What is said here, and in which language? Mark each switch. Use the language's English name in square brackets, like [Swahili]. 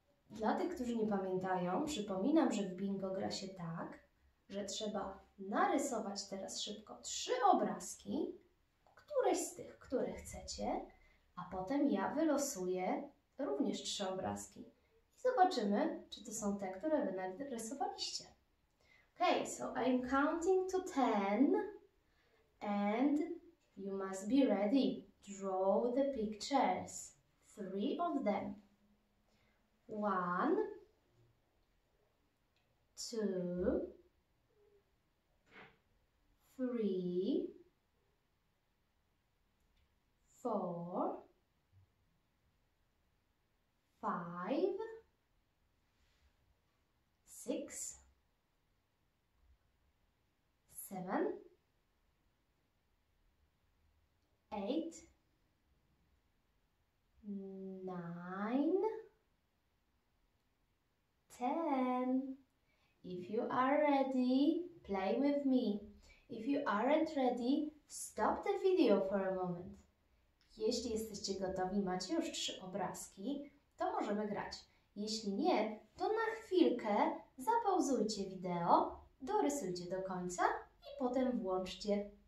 [Polish] Dla tych, którzy nie pamiętają, przypominam, że w bingo gra się tak, że trzeba narysować teraz szybko trzy obrazki, któreś z tych, które chcecie, a potem ja wylosuję również trzy obrazki. I zobaczymy, czy to są te, które wy narysowaliście. [English] Okay, so I'm counting to 10 and you must be ready. Draw the pictures. Three of them. One, two, three, four, five, six, seven, eight, nine, 10. If you are ready, play with me. If you aren't ready, stop the video for a moment. [Polish] Jeśli jesteście gotowi, macie już trzy obrazki, to możemy grać. Jeśli nie, to na chwilkę zapauzujcie wideo, dorysujcie do końca i potem włączcie.